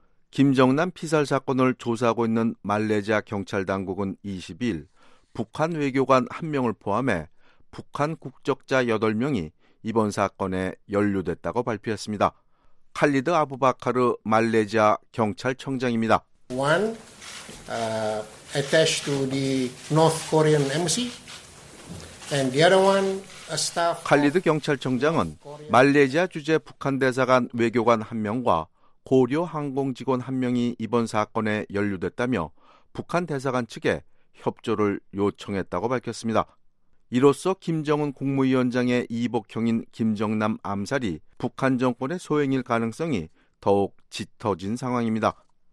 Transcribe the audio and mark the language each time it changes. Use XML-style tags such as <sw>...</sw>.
<ko>김정남 피살 사건을 조사하고 있는 말레이시아 경찰 당국은 20일 북한 외교관 한 명을 포함해 북한 국적자 8명이 이번 사건에 연루됐다고 발표했습니다. 칼리드 아부바카르 말레이시아 경찰청장입니다.</ko> <en>One attached to the North Korean embassy and the other one a staff.</en> <ko>칼리드 경찰청장은 말레이시아 주재 북한 대사관 외교관 한 명과 고려 항공 직원 한 명이 이번 사건에 연루됐다며 북한 대사관 측에 협조를 요청했다고 밝혔습니다. 이로써 김정은 국무위원장의 이복형인 김정남 암살이 북한 정권의 소행일 가능성이 더욱 짙어진 상황입니다.</ko>